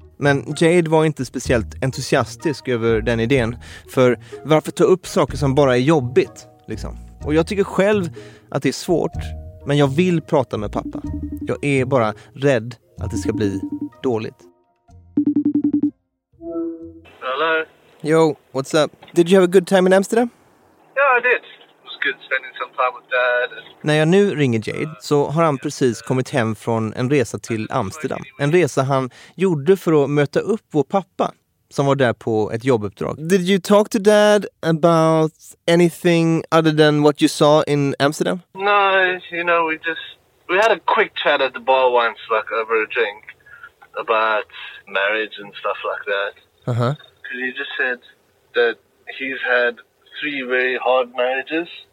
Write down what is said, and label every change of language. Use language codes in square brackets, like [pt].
[sv] Men Jade var inte speciellt entusiastisk över den idén, för varför ta upp saker som bara är jobbigt liksom? Och jag tycker själv att det är svårt, men jag vill prata med pappa. Jag är bara rädd att det ska bli dåligt. [en] Hello. Yo, what's up? Did you have a good time in Amsterdam? Yeah, I did. It was good spending some time with dad. [sv] När jag nu ringer Jade så har han precis kommit hem från en resa till Amsterdam. En resa han gjorde för att möta upp vår pappa som var där på ett jobbuppdrag. [en] Did you talk to dad about anything other than what you saw in Amsterdam? No, you know, we had a quick chat at the bar once, like over a drink, about marriage and stuff like that. Uh-huh. Because he just said that he's had 3 very hard marriages.